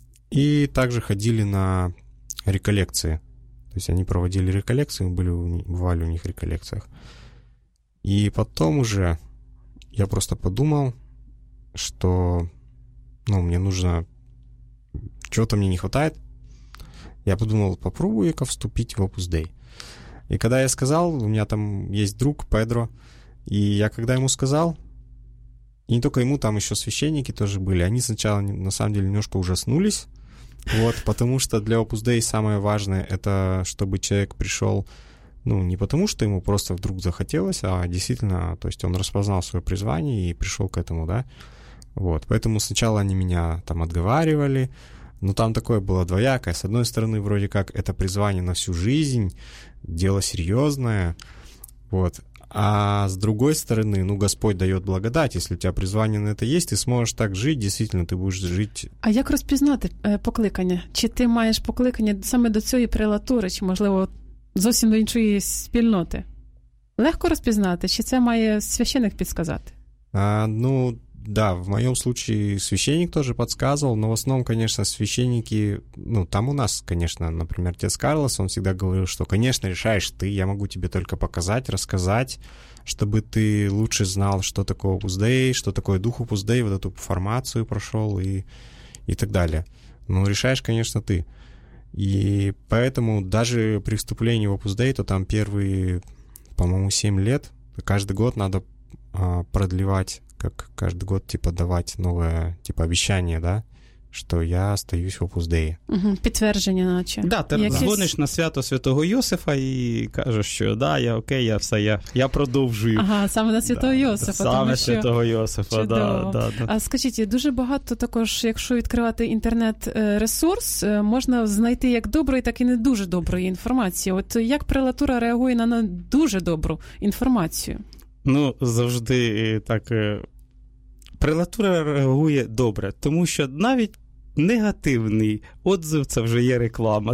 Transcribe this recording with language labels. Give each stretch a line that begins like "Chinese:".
Russian: И также ходили на реколлекции. То есть они проводили реколлекции, мы бывали у них в реколлекциях. И потом уже я просто подумал, что ну, мне нужно... Чего-то мне не хватает. Я подумал, попробую-ка вступить в Opus Dei. И когда я сказал, у меня там есть друг, Педро, и я когда ему сказал, и не только ему, там еще священники тоже были, они сначала, на самом деле, немножко ужаснулись, вот, потому что для Opus Dei самое важное — это чтобы человек пришел, ну, не потому что ему просто вдруг захотелось, а действительно, то есть он распознал свое призвание и пришел к этому, да, вот. Поэтому сначала они меня там отговаривали, но там такое было двоякое. С одной стороны, вроде как, это призвание на всю жизнь, дело серьезное, вот. А с другой стороны, ну, Господь дает благодать, если у тебя призвание на это есть, ты сможешь так жить, действительно, ты будешь жить.
Ukrainian: А як розпізнати покликання? Чи ти маєш покликання саме до цієї прелатури, чи, можливо, зовсім до іншої спільноти? Легко розпізнати, чи це має священник підсказати?
Russian: Ну, да, в моем случае священник тоже подсказывал, но в основном, конечно, священники, ну, там у нас, конечно, например, отец Карлос, он всегда говорил, что, конечно, решаешь ты, я могу тебе только показать, рассказать, чтобы ты лучше знал, что такое Opus Dei, что такое дух Opus Dei, вот эту формацию прошел и так далее. Ну, решаешь, конечно, ты. И поэтому даже при вступлении в Opus Dei, то там первые, по-моему, 7 лет, каждый год надо продлевать, как каждый год, типа, давать новое, типа, обещание, да, что я остаюсь в Opus Dei.
Ukrainian: Угу, підтвердження, наче. Да, ти дзвониш на свято Святого Йосифа і кажеш, що да, я окей, я все, я продовжую. Ага, саме на Святого Йосифа. Саме тому, Святого Йосифа, да, да, да. А скажіть, дуже багато також, якщо відкривати інтернет-ресурс, можна знайти як доброї, так і не дуже доброї інформації. От як прелатура реагує на дуже добру інформацію? Ну, завжди так. Прелатура реагує добре, тому що навіть негативний отзыв – це вже є реклама.